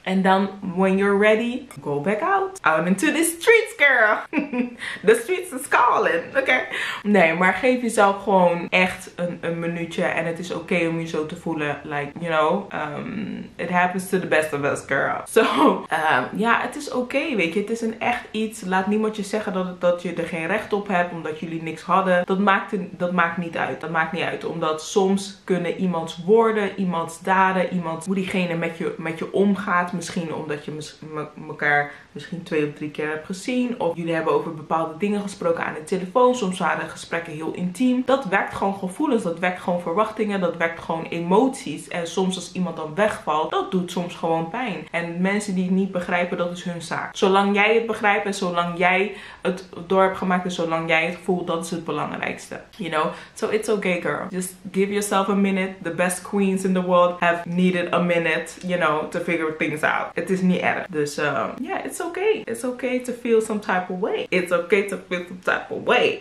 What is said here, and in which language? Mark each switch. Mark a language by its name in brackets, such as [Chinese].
[Dutch] En dan, [English] when you're ready, go back out. Out into the streets, girl. The streets is calling. Oké. [Dutch] Nee, maar geef jezelf gewoon echt een minuutje. En het is oké om je zo te voelen. [English] Like, you know, it happens to the best of us, girl. [Dutch] So, ja, het is oké, weet je. Het is een echt iets. Laat niemand je zeggen dat je er geen recht op hebt, omdat jullie niks hadden. Dat maakt niet uit. Dat maakt niet uit. Omdat soms kunnen iemands woorden, iemands daden, iemand hoe diegene met je omgaat. Misschien omdat je elkaar misschien 2 of 3 keer hebt gezien. Of jullie hebben over bepaalde dingen gesproken aan de telefoon. Soms waren gesprekken heel intiem. Dat wekt gewoon gevoelens. Dat wekt gewoon verwachtingen. Dat wekt gewoon emoties. En soms als iemand dan wegvalt, dat doet soms gewoon pijn. En mensen die het niet begrijpen, dat is hun zaak. Zolang jij het begrijpt en zolang jij het door hebt gemaakt en zolang jij het voelt, dat is het belangrijkste. [English] You know? So it's okay, girl. Just give yourself a minute. The best queens in the world have needed a minute, you know, to figure things out. [Dutch] Het is niet erg. [English] Dus yeah, it's okay. It's okay to feel some type of way. It's okay to feel some type of way.